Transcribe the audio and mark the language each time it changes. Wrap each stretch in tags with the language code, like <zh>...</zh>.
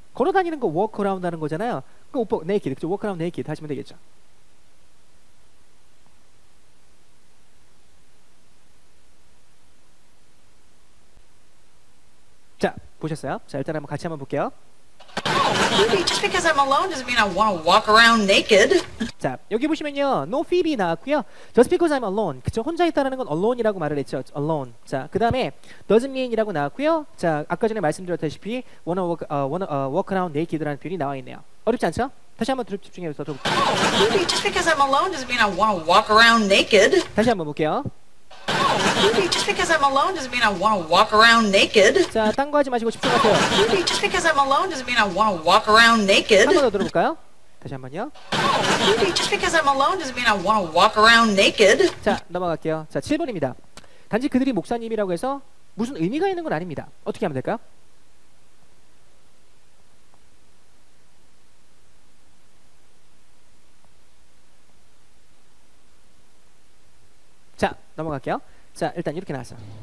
<ko>걸어다니는 거 walk around 하는 거잖아요. 그 옷 벗고 naked, 그렇죠?</ko> <en>walk around naked</en> <ko>하시면 되겠죠. 자, 보셨어요? 자, 일단 한번 같이 한번 볼게요.</ko> <en>Just because I'm alone doesn't mean I want to walk around naked.</en> <ko>자, 여기 보시면요. No Phoebe 나왔고요.</ko> <en>Just because I'm alone.</en> <ko>그쵸? 혼자 있다는 건 alone이라고 말을 했죠. Alone. 자, 그 다음에 doesn't mean이라고 나왔고요. 자, 아까 전에 말씀드렸다시피</ko> <en>wanna walk around naked</en> <ko>라는 표현이 나와 있네요. 어렵지 않죠? 다시 한번 집중해서 들어볼게요.</ko> <en>Just because I'm alone doesn't mean I want to walk around naked.</en> <ko>다시 한번 볼게요.</ko> <en>Just because I'm alone doesn't mean I want to walk around naked.</en> <ko>자, 딴 거 하지 마시고 집중하세요.</ko> <en>Just because I'm alone doesn't mean I want to walk around naked.</en> <ko>한 번 더 들어볼까요? 다시 한 번요.</ko> <en>Just because I'm alone doesn't mean I want to walk around naked.</en> <ko>자, 넘어갈게요. 자, 7번입니다. 단지 그들이 목사님이라고 해서 무슨 의미가 있는 건 아닙니다. 어떻게 하면 될까요? 자, 넘어갈게요. 자, 일단 이렇게 나왔어.</ko>